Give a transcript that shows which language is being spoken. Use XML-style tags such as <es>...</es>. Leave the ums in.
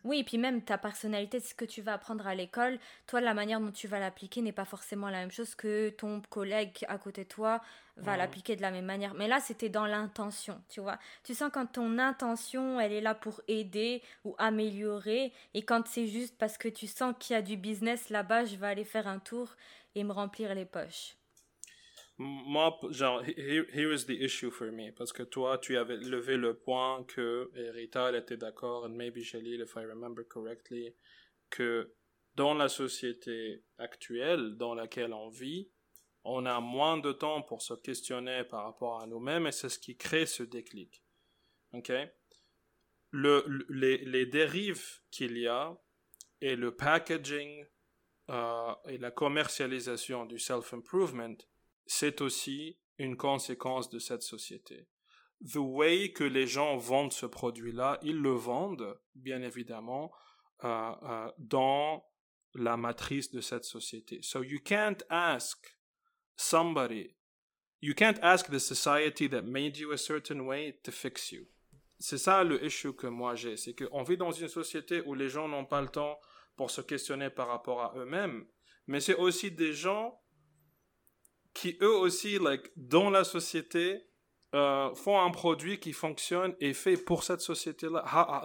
<fr>Oui, et puis même ta personnalité, ce que tu vas apprendre à l'école, toi, la manière dont tu vas l'appliquer n'est pas forcément la même chose que ton collègue à côté de toi va mmh. l'appliquer de la même manière. Mais là, c'était dans l'intention, tu vois. Tu sens quand ton intention, elle est là pour aider ou améliorer, et quand c'est juste parce que tu sens qu'il y a du business là-bas, je vais aller faire un tour et me remplir les poches moi, genre,</fr> <en>here, here, is the issue for me.</en> <fr>Parce que toi, tu avais levé le point que et Rita, elle était d'accord,</fr> <en>and maybe Jalil, if I remember correctly,</en> <fr>que dans la société actuelle dans laquelle on vit, on a moins de temps pour se questionner par rapport à nous-mêmes et c'est ce qui crée ce déclic. OK? Le, le, les, les, dérives qu'il y a et le packaging uh, et la commercialisation du self-improvement, c'est aussi une conséquence de cette société.</fr> <en>The way</en> <fr>que les gens vendent ce produit-là, ils le vendent, bien évidemment, euh, euh, dans la matrice de cette société.</fr> <en>So you can't ask somebody, you can't ask the society that made you a certain way to fix you.</en> <fr>C'est ça le issue que moi j'ai, c'est qu'on vit dans une société où les gens n'ont pas le temps pour se questionner par rapport à eux-mêmes, mais c'est aussi des gens qui eux aussi, like, dans la société, euh, font un produit qui fonctionne et fait pour cette société-là.</fr>